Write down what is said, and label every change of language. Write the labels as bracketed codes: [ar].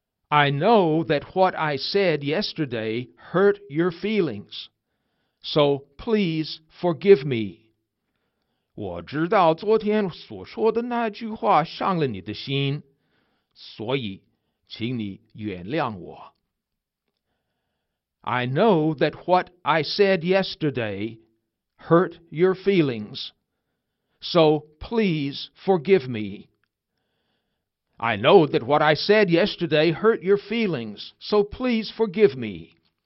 [en] I know that what I said yesterday hurt your feelings, so please forgive me. [zh] 我知道昨天所说的那句话伤了你的心，所以请你原谅我。 [en] I know that what I said yesterday hurt your feelings, so please forgive me. I know that what I said yesterday hurt your feelings, so please forgive me.